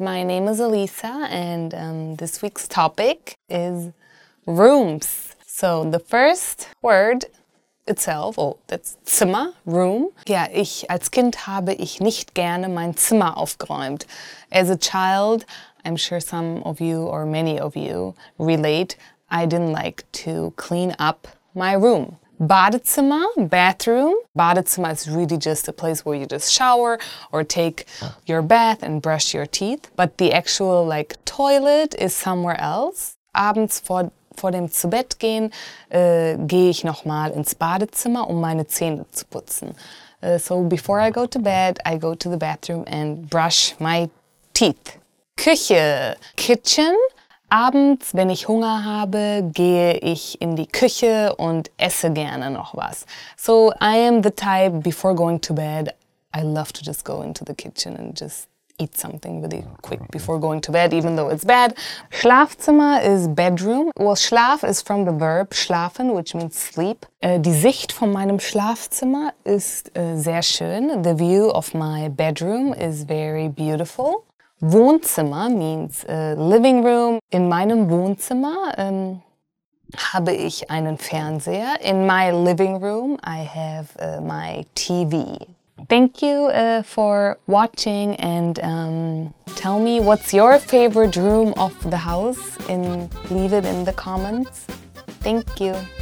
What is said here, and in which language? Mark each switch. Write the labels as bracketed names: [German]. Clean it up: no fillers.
[English] My name is Elisa, and this week's topic is rooms. So the first word itself, that's Zimmer, room. [German] Yeah, ich als Kind habe ich nicht gerne mein Zimmer aufgeräumt. [English] As a child, I'm sure some of you or many of you relate, I didn't like to clean up my room. Badezimmer, bathroom. Badezimmer is really just a place where you just shower or take your bath and brush your teeth. But the actual like toilet is somewhere else. [German] Abends vor dem Zubettgehen gehe ich nochmal ins Badezimmer, um meine Zähne zu putzen. [English] So before I go to bed, I go to the bathroom and brush my teeth. Küche, kitchen. [German] Abends, wenn ich Hunger habe, gehe ich in die Küche und esse gerne noch was. [English] So I am the type, before going to bed, I love to just go into the kitchen and just eat something really quick before going to bed, even though it's bad. Schlafzimmer is bedroom. Well, Schlaf is from the verb schlafen, which means sleep. [German] Die Sicht von meinem Schlafzimmer ist sehr schön. [English] The view of my bedroom is very beautiful. Wohnzimmer means living room. [German] In meinem Wohnzimmer habe ich einen Fernseher. [English] In my living room, I have my TV. Thank you for watching, and tell me what's your favorite room of the house, and leave it in the comments. Thank you.